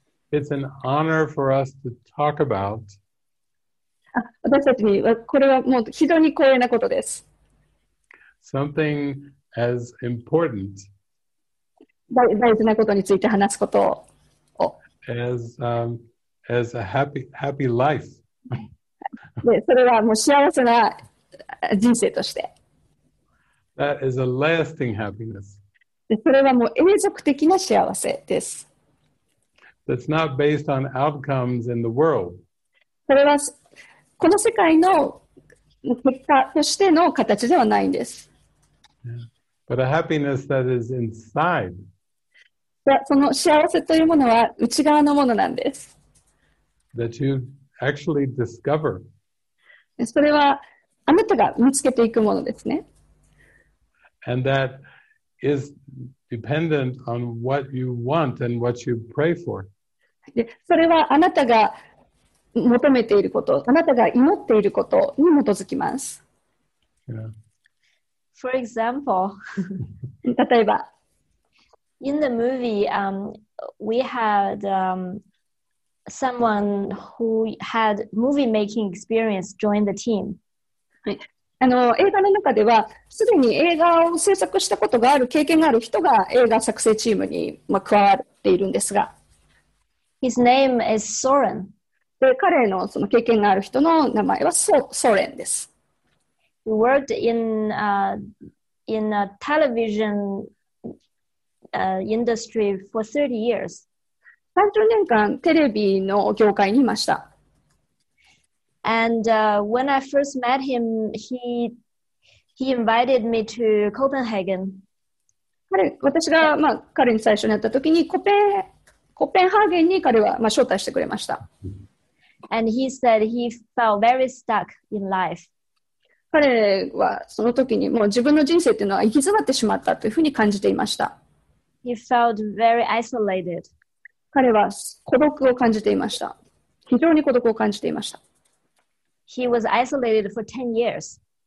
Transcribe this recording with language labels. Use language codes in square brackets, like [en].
[en] It's an honor for us to talk about. [ja] 私たちにはこれはもう非常に光栄なことです。 [en] Something as important. [ja] 大事なことについて話すことを。 [en] As a happy life. [ja] で、それはもう幸せな人生として。 [en] That is a lasting happiness. [ja] で、それはもう永続的な幸せです。 [en] That's not based on outcomes in the world. [ja] それはこの世界の結果としての形ではないんです。 [en] But a happiness that is inside. [ja] その幸せというものは内側のものなんです。 [en] That you actually discover. [ja] それはあなたが見つけていくものですね。 [en] And that is dependent on what you want and what you pray for. [ja] それはあなたが求めていること、あなたが祈っていることに基づきます。 [en] Yeah. For example, [ja] 例えば、 [en] In the movie, we had someone who had movie making experience join the team. [ja] はい。映画の中では、すでに映画を制作したことがある、経験がある人が映画作成チームに、まあ、加わっているんですが。 [en] His name is Soren. [ja] 彼のその経験がある人の名前はソーレンです。 [en] He worked in a television industry for 30 years. [ja] 30年間テレビの業界にいました。 [en] And when I first met him, he invited me to Copenhagen. [ja] 私が、まあ、彼に最初に会った時にコペンハーゲンに彼は、まあ、招待してくれました。 [en] And he said he felt very stuck in life. [ja] 彼はその時にもう自分の人生というのは行き詰まってしまったというふうに感じていました。 [en] He felt very isolated. [ja] 彼は孤独を感じていました。非常に孤独を感じていました。 [en] He was isolated for 10 years.